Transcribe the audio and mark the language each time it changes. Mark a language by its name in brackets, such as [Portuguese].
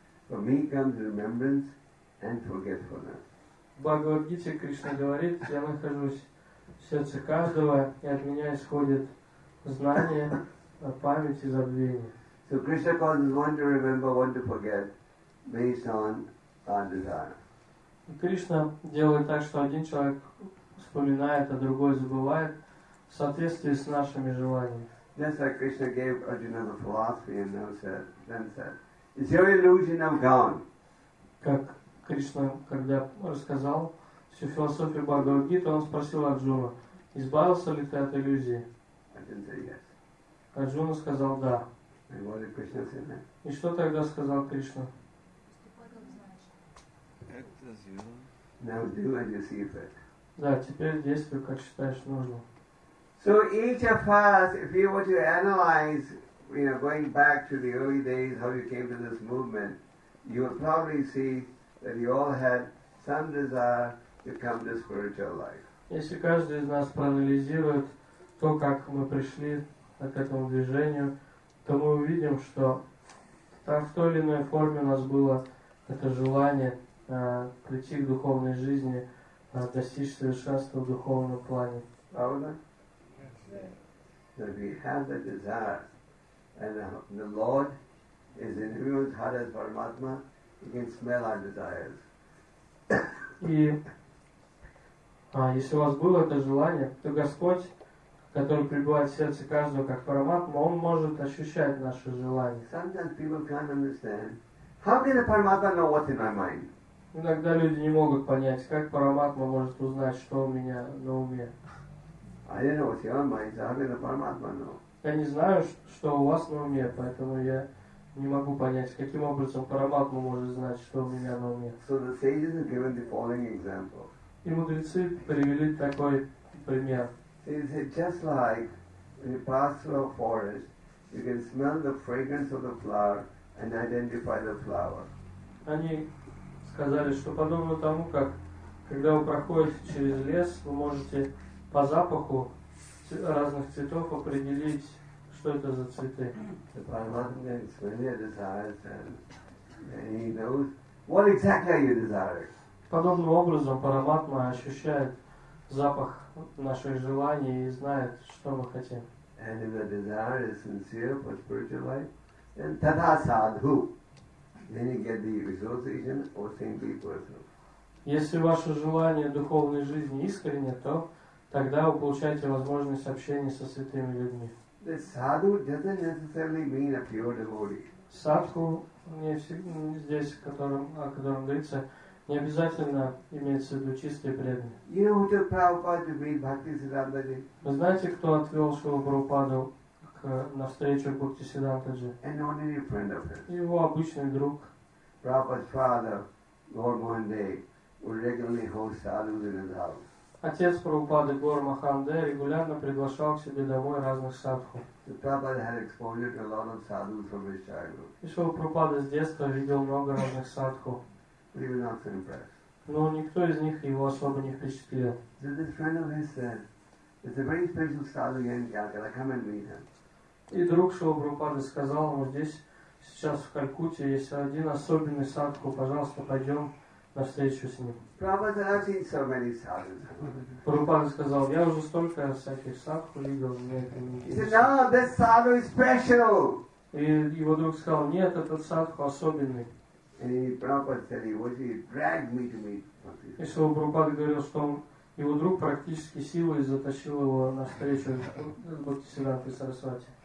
[English] For me comes remembrance and forgetfulness. [Russian] В Бхагавад-гите Кришна говорит: «Я нахожусь в сердце каждого, и от меня исходит знание, память и забвение». [English] So Krishna causes one to remember, one to forget, based on our desire. [Russian] Кришна делает так, что один человек вспоминает, а другой забывает, в соответствии с нашими желаниями. [English] Just like Krishna gave Arjuna the philosophy and then said. Is your illusion now gone? [Russian] Как Кришна, когда рассказал всю философию Бхагавад-гиты, он спросил Арджуну: «Избавился ли ты от иллюзии?» [English] Arjuna said yes. [Russian] Арджуна сказал да. [English] And what did Krishna say then? [Russian] И что тогда сказал Кришна? [English] Act as you now do as you see fit. [Russian] Да, теперь действуй, как считаешь нужным. [English] So each of us, if you were to analyze, you know, going back to the early days, how you came to this movement, you will probably see that you all had some desire to come to spiritual life. [Russian] Если каждый из нас проанализирует то, как мы пришли к этому движению, то мы увидим, что там в той или иной форме у нас было это желание прийти к духовной жизни, достичь совершенства в духовном плане. Правда? [English] That we have the desire. And the Lord is in everyone's heart as Paramatma. He can smell our desires. [Russian] И если у вас было это желание, то Господь, который пребывает в сердце каждого как Параматма, он может ощущать наши желания. [English] Sometimes people can't understand. How can the Paramatma know what's in my mind? [Russian] Иногда люди не могут понять, как Параматма может узнать, что у меня на уме. [English] I don't know what's in my mind. How can the Paramatma know? [Russian] Я не знаю, что у вас на уме, поэтому я не могу понять, каким образом Параматма может знать, что у меня на уме. [English] So the sages have given the following example. [Russian] И мудрецы привели такой пример. [English] Is it just like in a pastoral forest, you can smell the fragrance of the flower and identify the flower? [Russian] Они сказали, что подобно тому, как когда вы проходите через лес, вы можете по запаху разных цветов определить, что это за цветы. [English] The Paramatma is familiar with desires and he knows what exactly are you desiring. [Russian] Подобным образом Параматма ощущает запах наших желаний и знает, что мы хотим. [English] And if the desire is sincere for spiritual life, then tada sadhu. Then you get the association or simply personal. [Russian] Если ваше желание духовной жизни искренне, то тогда вы получаете возможность общения со святыми людьми. [English] The sadhu doesn't necessarily mean a pure devotee. [Russian] Садху здесь, о котором говорится, не обязательно имеется в виду чистый преданный. [English] You know who took Prabhupada to meet Bhaktisiddhanta Ji? [Russian] Вы знаете, кто отвел Шрилу Прабхупаду на встречу Бхактисиддханта Ji? [English] An ordinary friend of his. [Russian] Его обычный друг. [English] Prabhupada's father, Lord Mohandev, would regularly host sadhus in his house. [Russian] Отец Прабхупады Гор Махандэ регулярно приглашал к себе домой разных садху. Шрила Прабхупада с детства видел много разных садху. Но никто из них его особо не впечатлил. И друг Шрила Прабхупады сказал ему, здесь сейчас в Калькутте есть один особенный садху, пожалуйста, пойдем на встречу с ним. [English] Prabhupada said, I've seen so many sadhus. [Russian] Prabhupada сказал, я уже столько всяких садху видел. [English] He said, no, this sadhu is special. [Russian] И его друг сказал, нет, этот садху особенный. [English] And Prabhupada said, he dragged me to meet Bhaktisiddhanta. [Russian] И Шрила Прабхупада говорил, что его друг практически силой затащил его на встречу с Бхактисиддхантой Сарасвати.